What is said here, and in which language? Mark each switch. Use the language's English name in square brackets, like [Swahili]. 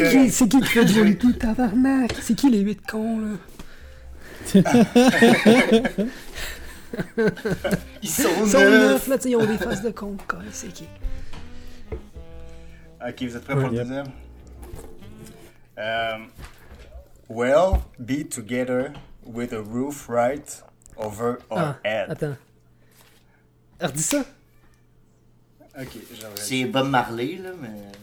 [French] C'est qui fait duality, tabarnak? C'est qui les 8 cons, là? Ils sont 9, là, t'sais, ils ont des faces de cons, quoi. C'est qui? Ok, vous êtes prêts pour le deuxième? [English] Well, be together with a roof right over our head. [French] Attends. Redis ça. Ok, j'en c'est Bob Marley, là, mais.